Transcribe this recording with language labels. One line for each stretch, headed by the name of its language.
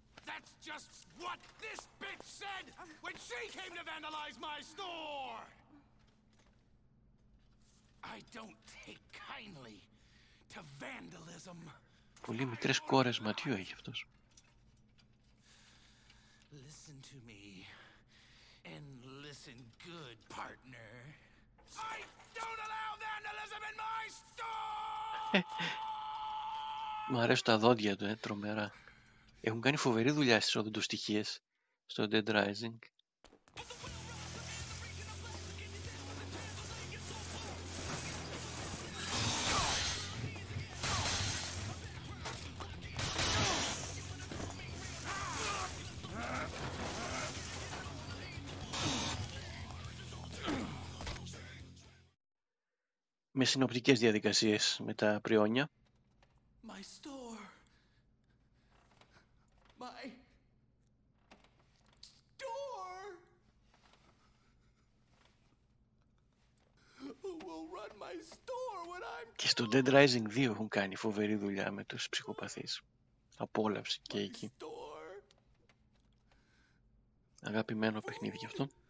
English: That's just what this bitch said when she came to vandalize my store. I don't take kindly to vandalism.
Greek: Πολύ μικρές κόρες ματιού έχει αυτός.
English: Listen to me and listen good, partner. I don't allow vandalism in my store.
Greek: Μου αρέσουν τα δόντια του, τρομερά. Έχουν κάνει φοβερή δουλειά στις οδοντοστοιχίες στο Dead Rising. Με συνοπτικές διαδικασίες με τα πριόνια.
English: My store. My store. Who will run my store when I'm...
Greek: Και στο Dead Rising 2 έχουν κάνει φοβερή δουλειά με τους ψυχοπαθείς. Απόλαυση και εκεί. Αγαπημένο παιχνίδι γι' αυτό.